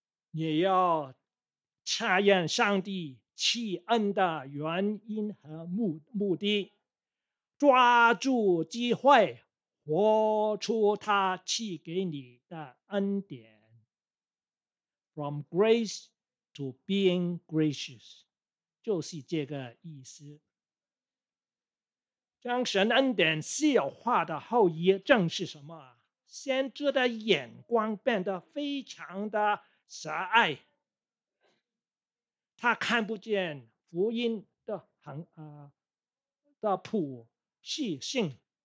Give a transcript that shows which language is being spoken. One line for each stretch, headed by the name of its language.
Chinese: 也要查验上帝赐恩的原因和目的，抓住机会活出他赐给你的恩典。
English: From grace to being gracious，
Chinese: 就是这个意思。将神恩典稀有化的后遗症是什么？先知的眼光变得非常的狭隘，他看不见福音的普世性。